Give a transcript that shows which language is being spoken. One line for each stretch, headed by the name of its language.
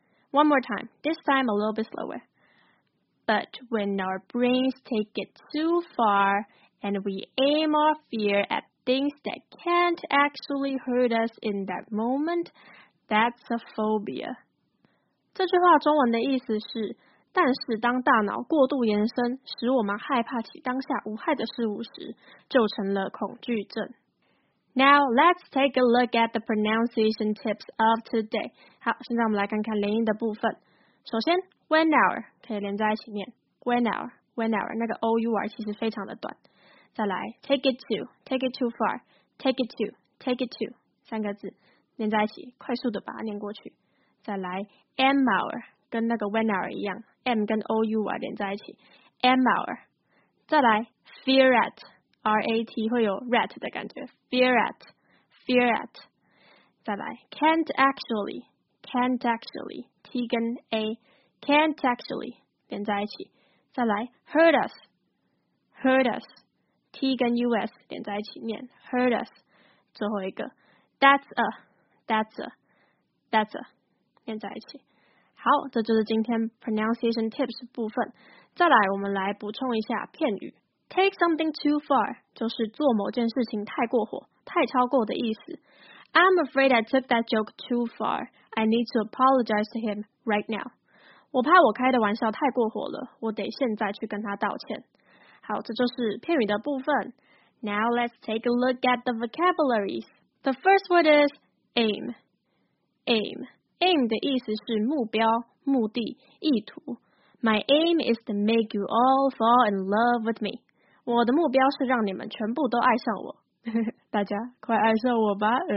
English: One more time, this time a little bit slower. But when our brains take it too far, and we aim our fear at things that can't actually hurt us in that moment, that's a phobia.
Chinese: 这句话中文的意思是，但是当大脑过度延伸，使我们害怕起当下无害的事物时，就成了恐惧症。
English: Now, let's take a look at the pronunciation tips of today.
Chinese: 好，现在我们来看看连音的部分。首先 ,
English: when hour,
Chinese: 可以连在一起念 ,
English: when hour, when hour,
Chinese: 那个 our 其实非常的短。再来 ,
English: take it too far, take it too,
Chinese: 三个字连在一起，快速的把它念过去。再来 ,
English: m hour,
Chinese: 跟那个
English: when hour
Chinese: 一样 ,m 跟 our 连在一起 ,
English: m hour。再来 ,fear at,R-A-T
Chinese: 会有
English: rat
Chinese: 的感觉
English: fear at, fear at
Chinese: 再来
English: can't actually, can't actually T
Chinese: 跟
English: A can't actually
Chinese: 连在一起再来
English: hurt us, hurt us T
Chinese: 跟 US 连在一起念
English: hurt us
Chinese: 最后一个
English: that's a, that's a, that's a
Chinese: 连在一起好这就是今天
English: pronunciation tips
Chinese: 部分再来我们来补充一下片语
English: Take something too far,
Chinese: 就是做某件事情太过火、太超过的意思。
English: I'm afraid I took that joke too far. I need to apologize to him right now.
Chinese: 我怕我开的玩笑太过火了，我得现在去跟他道歉。好，这就是片语的部分。
English: Now let's take a look at the vocabularies. The first word is aim. Aim.
Chinese: Aim 的意思是目标、目的、意图。
English: My aim is to make you all fall in love with me.
Chinese: 我的目标是让你们全部都爱上我。大家快爱上我吧。